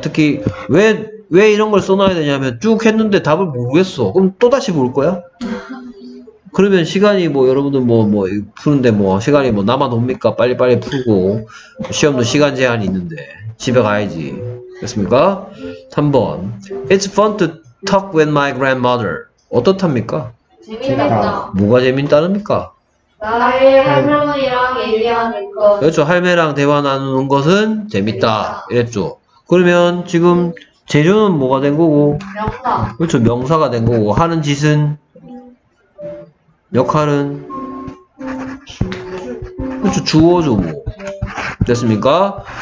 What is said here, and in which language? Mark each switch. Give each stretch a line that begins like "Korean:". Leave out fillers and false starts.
Korean: 특히, 왜 이런 걸 써놔야 되냐면 쭉 했는데 답을 모르겠어. 그럼 또 다시 볼 거야? 그러면 시간이 뭐 여러분들 뭐 푸는데 뭐 시간이 뭐 남아 놉니까? 빨리 푸고 시험도 시간 제한이 있는데 집에 가야지. 됐습니까?
English: 3번 It's fun to talk with my grandmother.
Korean: 어떻답니까? 재밌다. 뭐가 재밌다랍니까? 나의 할머니랑 얘기하는 것. 그렇죠. 할매랑 대화 나누는 것은 재밌다. 이랬죠. 그러면 지금 재료는 뭐가 된 거고? 명사. 그렇죠. 명사가 된 거고 하는 짓은 역할은 그렇죠. 주어죠 뭐. 됐습니까?